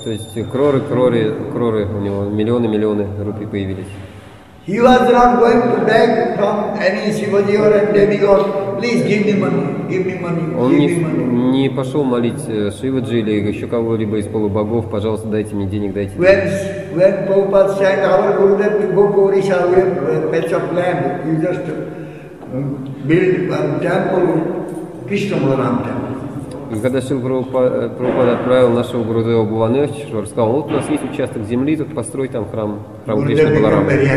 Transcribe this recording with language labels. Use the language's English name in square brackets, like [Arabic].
[Russian] то есть кроры у него, миллионы рупий появились. [English] He was not going to beg from any Shivaji or any Devi or please give me money. [Russian] Он не пошел молить Шиваджи или еще кого-либо из полубогов, пожалуйста, дайте мне денег, дайте. [English] When Prabhupada said, our Guru that we go to Orisha, we have a patch of land, we just build a temple, Krishna Balaram temple. [Russian] И когда Шрила Прабхупада отправил нашего Гурудева Бхуванешвара, сказал, вот у нас есть участок земли, тут построй там храм Кришна Баларам.